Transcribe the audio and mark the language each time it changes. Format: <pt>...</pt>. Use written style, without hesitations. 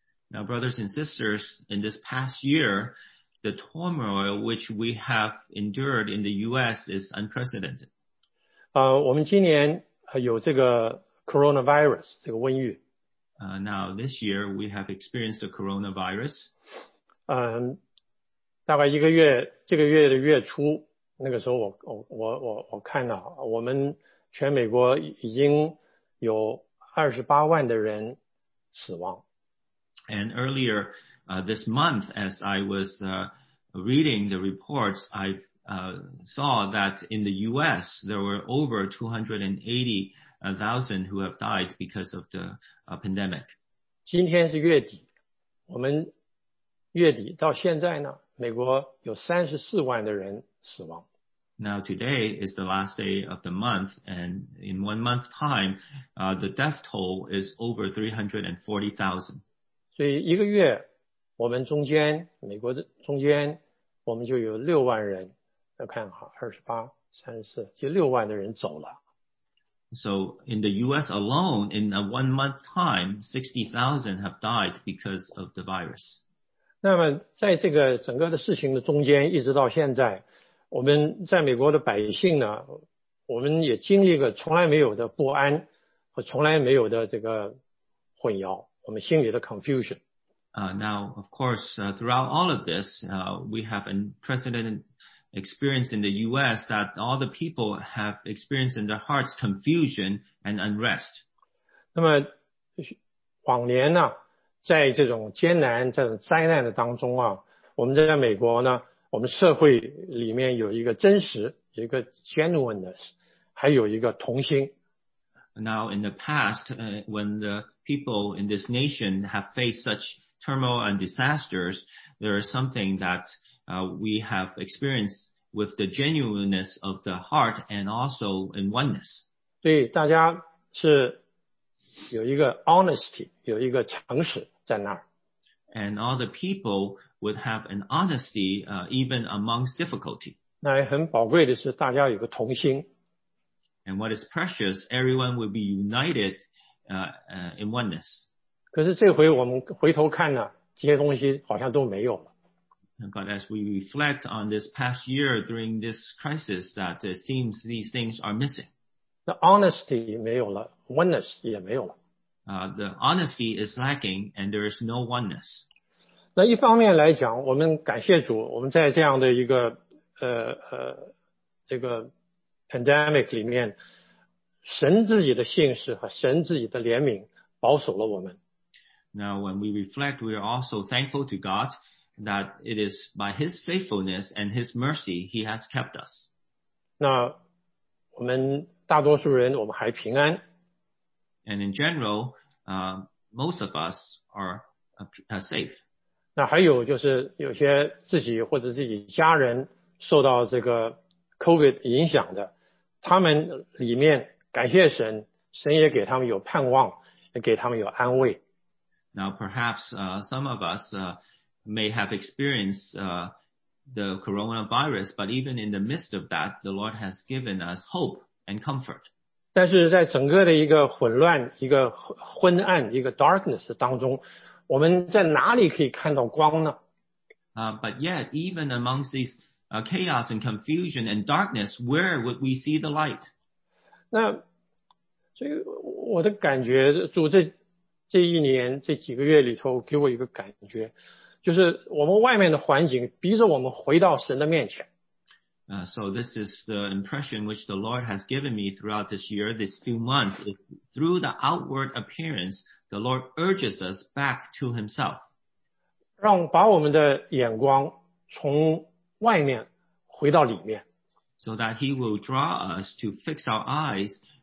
<en>Now, brothers and sisters, in this past year, the turmoil which we have endured in the U.S. is unprecedented.</en> <zh>我们今年有这个 coronavirus 这个瘟疫。</zh> <en>Now, this year, we have experienced the coronavirus.</en> <zh>大概一个月，这个月的月初，那个时候我看到我们全美国已经有28万的人死亡。</zh> <en>And earlier, this month, as I was, reading the reports, I, saw that in the U.S., there were over 280,000 who have died because of the, pandemic.</en> <zh>今天是月底，我们月底到现在呢，美国有34万的人死亡。</zh> <en>Now today is the last day of the month, and in 1 month time, the death toll is over 340,000.</en> <zh>所以一个月我们中间美国的中间我们就有6万人要看好 28,34 就6万的人走了。</zh> <en>So in the US alone, in a 1 month time, 60,000 have died because of the virus.</en> <zh>那么在这个整个的事情的中间一直到现在我们在美国的百姓呢我们也经历了从来没有的不安和从来没有的这个混淆。我们心里的 confusion.</zh> <en>Now, of course, throughout all of this, we have an unprecedented experience in the U.S. that all the people have experienced in their hearts confusion and unrest.</en> <zh>那么往年呢，在这种艰难、这种灾难的当中啊，我们在美国呢，我们社会里面有一个真实，有一个 genuineness， 还有一个同心。</zh> <en>Now, in the past, when the people in this nation have faced such turmoil and disasters, there is something that we have experienced with the genuineness of the heart and also in oneness.</en> <zh>对，大家是有一个 honesty, 有一个诚实在那儿。</zh> <en>And all the people would have an honesty even amongst difficulty.</en> <zh>那也很宝贵的是大家有个同心。</zh> <en>And what is precious, everyone will be united, in oneness.</en> <zh>可是这回我们回头看呢，这些东西好像都没有了。</zh> <en>But as we reflect on this past year during this crisis, that it seems these things are missing. The honesty</en> <zh>没有了 ,oneness 也没有了。</zh> <en>The honesty is lacking and there is no oneness.</en> <zh>那一方面来讲，我们感谢主，我们在这样的一个这个pandemic 里面神自己的信实和神自己的怜悯保守了我们。</zh> <en>Now when we reflect, we are also thankful to God that it is by his faithfulness and his mercy he has kept us.</en> <zh>那我们大多数人我们还平安。</zh> <en>And in general, most of us are safe.</en> <zh>那还有就是有些自己或者自己家人受到这个 COVID 影响的他们里面感谢神，神也给他们有盼望，也给他们有安慰。</zh> <en>Now perhaps some of us may have experienced the coronavirus, but even in the midst of that, the Lord has given us hope and comfort.</en> <zh>但是在整个的一个混乱、一个昏暗、一个 darkness 当中，我们在哪里可以看到光呢？</zh> <en>But yet, even amongst these chaos and confusion and darkness, where would we see the light?</en> <zh>那所以我的感觉，主这一年这几个月里头给我一个感觉，就是我们外面的环境逼着我们回到神的面前。</zh> <en>So this is the impression which the Lord has given me throughout this year, this few months. If through the outward appearance, the Lord urges us back to himself.</en> <zh>让把我们的眼光从外面回到里面。</zh> <en>So that he will draw us to fix our eyes</en>